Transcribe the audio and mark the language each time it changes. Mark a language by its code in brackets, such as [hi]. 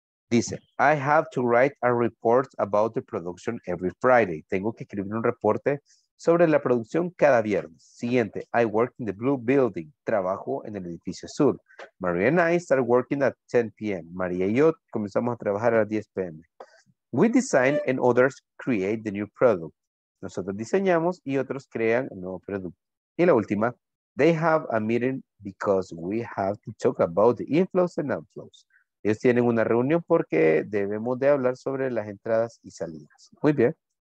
[en] Dice, I have to write a report about the production every Friday. [es] Tengo que escribir un reporte sobre la producción cada viernes. [en] Siguiente, I work in the blue building. Trabajo en el edificio azul. Maria and I start working at 10 p.m. [es] Maria y yo comenzamos a trabajar a las 10 p.m. [en] We design and others create the new product. [es] Nosotros diseñamos y otros crean el nuevo producto. [en] Y la última, they have a meeting because we have to talk about the inflows and outflows. [es] Ellos tienen una reunión porque debemos de hablar sobre las entradas y salidas. Muy bien.